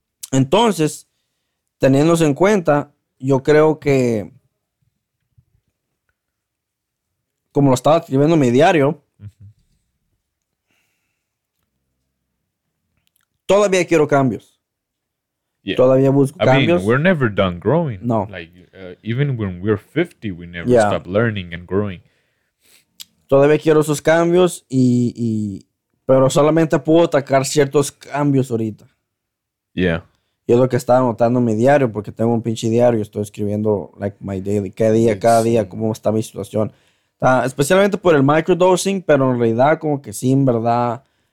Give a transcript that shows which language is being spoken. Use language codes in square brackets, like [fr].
[es] Entonces, teniéndose en cuenta, yo creo que, como lo estaba escribiendo en mi diario, todavía quiero cambios. Yeah. Todavía busco cambios. [en] We're never done growing. No. Even when we're 50, we never stop learning and growing. [es] Todavía quiero esos cambios y pero solamente puedo atacar ciertos cambios ahorita. [en] Yeah. [es] Y es lo que estaba anotando en mi diario, porque tengo un pinche diario. Estoy escribiendo [en] like my daily, [es] cada día, cómo está mi situación. Especialmente por el microdosing, pero en realidad como que sí, en verdad...